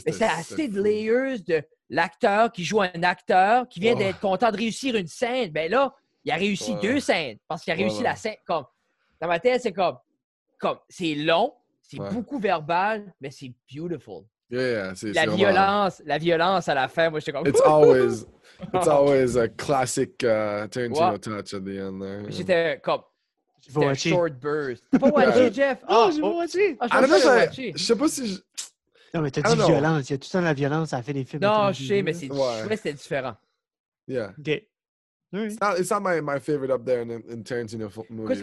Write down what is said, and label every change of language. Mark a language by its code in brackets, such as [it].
[fr] mais c'est assez de layers de l'acteur qui joue un acteur qui vient ouais, d'être content de réussir une scène. Ben là, il a réussi ouais, deux scènes parce qu'il a réussi voilà, la scène. Comme, dans ma tête, c'est comme c'est long, c'est ouais, beaucoup verbal, mais c'est beautiful. Yeah, yeah, c'est la vraiment... violence, la violence à la fin, moi, je suis comme... [en] It's always a classic Tarantino wow, touch at the end there. [fr] J'étais comme... J'étais un short burst. T'as pas watché, Jeff? Je sais pas si... Non, mais t'as dit violence. Il y a tout le temps la violence à faire des films. Non, je sais, mais c'est ouais, c'était différent. [en] Yeah. OK. It's not my favorite up there in Tarantino movies.